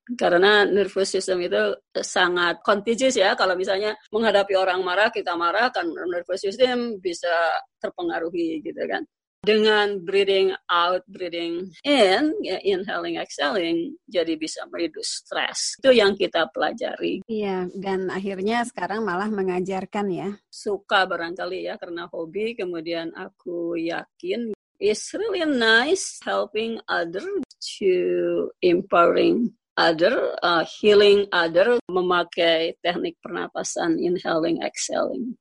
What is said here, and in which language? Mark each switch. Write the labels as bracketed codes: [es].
[id] Karena nervous system itu sangat contagious ya, kalau misalnya menghadapi orang marah, kita marah, kan nervous system bisa terpengaruhi gitu kan. Dengan breathing out, breathing in, ya, inhaling, exhaling, jadi bisa mereduce stress. Itu yang kita pelajari. Iya, dan akhirnya sekarang malah mengajarkan ya. Suka barangkali ya, karena hobi, kemudian aku yakin. [en] It's really nice helping other to empowering other, healing other, [id] memakai teknik pernapasan, [en] inhaling, exhaling.